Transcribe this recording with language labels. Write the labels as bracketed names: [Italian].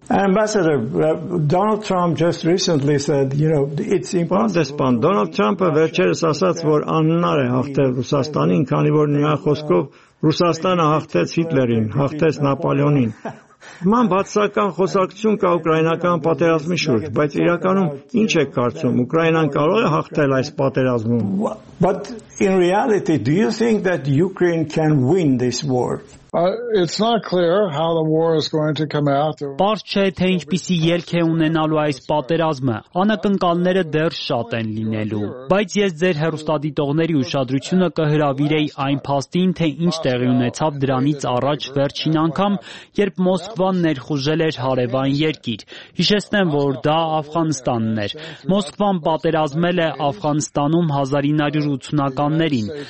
[English] Ambassador, Donald Trump just recently said, you know, it's impossible. [Armenian] Donald Trump-ը վերջերս ասաց, որ աննար է հաղթել Ռուսաստանին, քանի որ նրա խոսքով Ռուսաստանը հաղթեց Հիտլերին, հաղթեց Նապոլեոնին. Ման բացական խոսակցություն կա ուկրաինական պատերազմի շուրջ, բայց իրականում ի՞նչ է կարծում, Ուկրաինան կարող է հաղթել այս պատերազմում. [English] But in reality, do you think that Ukraine can win this war? It's not clear how the war is going to come out. [Armenian] Պարզ չէ, թե ինչպիսի ելք է ունենալու այս պատերազմը։ Անակնկալները դեռ շատ են լինելու, բայց ես ձեր հեռուստադիտողների ուշադրությունը կհրավիրեի այն փաստին, թե ինչ տեղի ունեցավ դրանից առաջ վերջին անգամ, երբ Մոսկվան ներխուժել էր հարևան երկիր։ Հիշեցնեմ, որ դա Աֆղանստանն էր։ Մոսկվան պատերազմել է Աֆղանստանում 1980-ականներին։